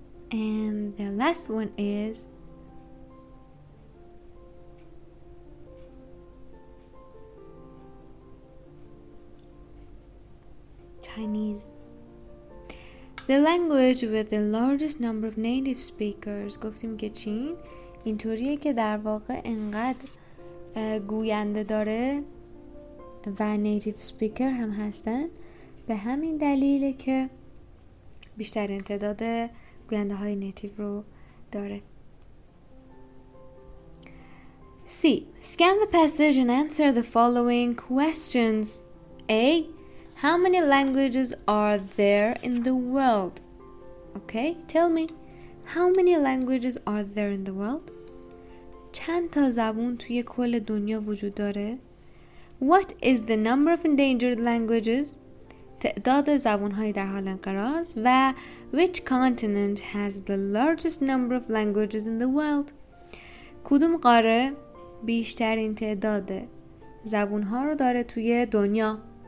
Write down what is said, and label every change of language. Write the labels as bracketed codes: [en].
[en] And the last one is Chinese. The language with the largest number of native speakers. [fa] گفتیم که چین اینطوریه که در واقع انقدر گوینده داره و نیتیف سپیکر هم هستن، به همین دلیل که بیشتر تعداد گوینده های نیتیف رو داره. [en] C. Scan the passage and answer the following questions. A. How many languages are there in the world? Okay, tell me. How many languages are there in the world? [fa] چند تا زبون توی کل دنیا وجود داره؟ [en] What is the number of endangered languages? [fa] تعداد زبون‌های در حال انقراض. و [en] Which continent has the largest number of languages in the world? [fa] کدوم قاره بیشترین تعداد زبون‌ها رو داره توی دنیا؟